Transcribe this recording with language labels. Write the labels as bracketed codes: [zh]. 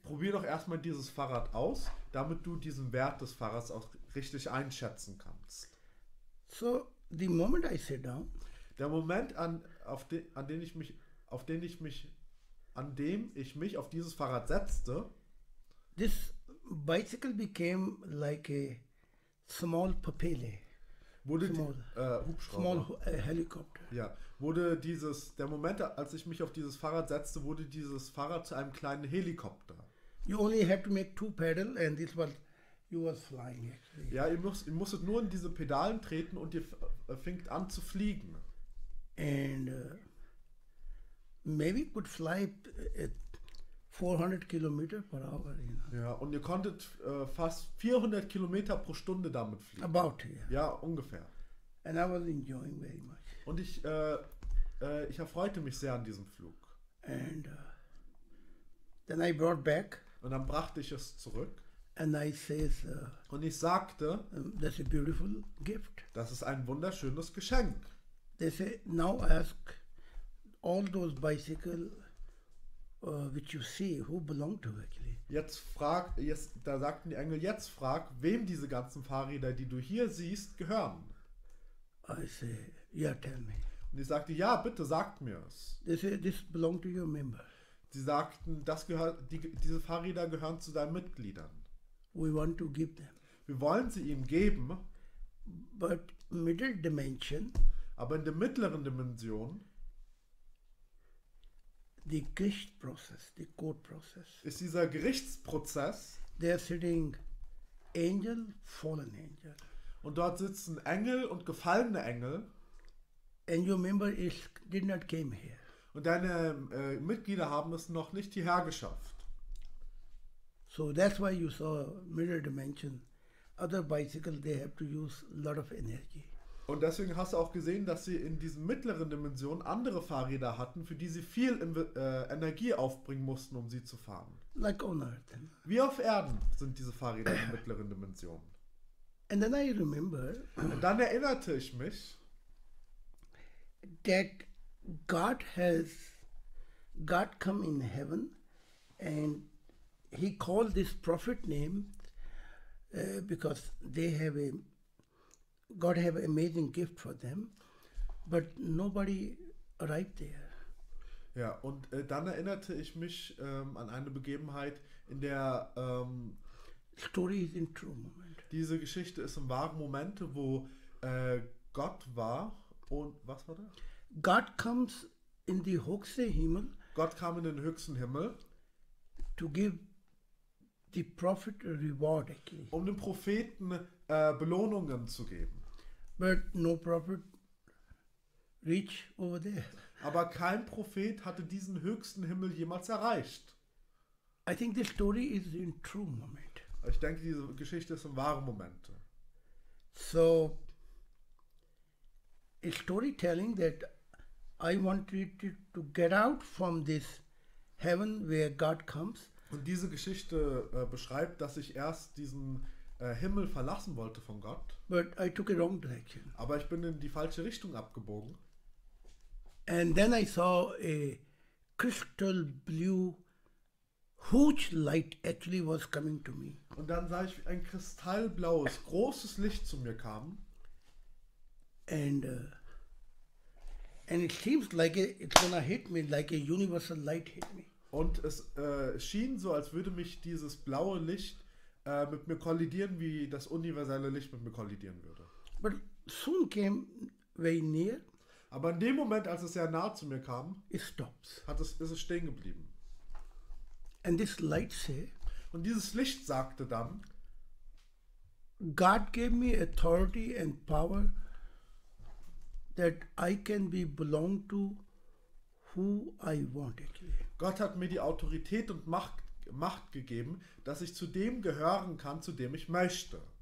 [de] Probier doch erstmal dieses Fahrrad aus, damit du diesen Wert des Fahrrads auch richtig einschätzen kannst. [en] So the moment I sit down. [de] Der Moment an dem ich mich auf dieses Fahrrad setzte. [en] This bicycle became like a small Papele. [de] Wurde [en] small, [de] die, Hubschrauber. [en] Small helicopter. [de] Ja, wurde dieses, der Moment, als ich mich auf dieses Fahrrad setzte, wurde dieses Fahrrad zu einem kleinen Helikopter. [en] You only have to make two pedal and this was, you were flying actually. [de] Ja, ihr musstet nur in diese Pedalen treten und ihr fängt an zu fliegen. [en] And maybe could fly at 400 kilometers per hour. You know. [de] Ja, und ihr konntet fast 400 Kilometer pro Stunde damit fliegen. [en] About, yeah. [de] Ja, ungefähr. [en] And I was enjoying very much. [de] Und ich erfreute mich sehr an diesem Flug. [en] And then I brought back. [de] Und dann brachte ich es zurück. [en] And I says, [de] und ich sagte, [en] that's a beautiful gift. [de] Das ist ein wunderschönes Geschenk. [en] They say, now ask all those bicycle which you see, who belong to actually. [de] Jetzt sagten die Engel, wem diese ganzen Fahrräder, die du hier siehst, gehören. [en] I say, yeah, tell me. [de] Und ich sagte, ja, bitte, sagt mir es. [en] They say, this belong to your members. [de] Sie sagten, diese Fahrräder gehören zu deinen Mitgliedern. [en] We want to give them. [de] Wir wollen sie ihm geben. [en] But middle dimension, [de] aber in der mittleren Dimension, [en] the Gericht process, the court process, [de] ist dieser Gerichtsprozess. [en] They are sitting angel, fallen angel. [de] Und dort sitzen Engel und gefallene Engel. [en] And your member is, did not came here. [de] Und deine Mitglieder haben es noch nicht hierher geschafft. [en] So that's why you saw middle dimension. Other bicycles, they have to use a lot of energy. [de] Und deswegen hast du auch gesehen, dass sie in diesen mittleren Dimensionen andere Fahrräder hatten, für die sie viel Energie aufbringen mussten, um sie zu fahren. [en] Like on Earth. [de] Wie auf Erden sind diese Fahrräder in mittleren Dimensionen. [en] And then I remember, [de] und dann erinnerte ich mich, [en] that God has God come in heaven and he called this prophet name because they have a God have amazing gift for them, but nobody arrived there. [de] Ja, und dann erinnerte ich mich an eine Begebenheit, in der [en] Story is in true moment. [de] Diese Geschichte ist im wahren Moment, wo Gott war und was war da? [en] God comes in the [de] höchste Himmel. Gott kam in den höchsten Himmel. [en] To give the prophet a reward, actually. [de] Um dem Propheten Belohnungen zu geben. [en] But no prophet reached over there. [de] Aber kein Prophet hatte diesen höchsten Himmel jemals erreicht. [en] I think the story is in true moment. [de] Ich denke, diese Geschichte ist im wahren Moment. [en] So, a storytelling that I wanted to get out from this heaven where God comes. [de] Und diese Geschichte beschreibt, dass ich erst diesen Himmel verlassen wollte von Gott. [en] But I took a wrong direction. [de] Aber ich bin in die falsche Richtung abgebogen. [en] And then I saw a crystal blue huge light actually was coming to me. [de] Und dann sah ich, wie ein kristallblaues großes Licht zu mir kam. [en] And it seems like it's gonna hit me like a universal light hit me. [de] Und es schien so, als würde mich dieses blaue Licht mit mir kollidieren, wie das universelle Licht mit mir kollidieren würde. [en] But soon came very near. [de] Aber in dem Moment, als es sehr nah zu mir kam, [en] it stops. [de] Ist es stehen geblieben. [en] And this light say, [de] und dieses Licht sagte dann, [en] God gave me authority and power that I can be belong to who I want actually. [de] Gott hat mir die Autorität und Macht gegeben, dass ich zu dem gehören kann, zu dem ich möchte.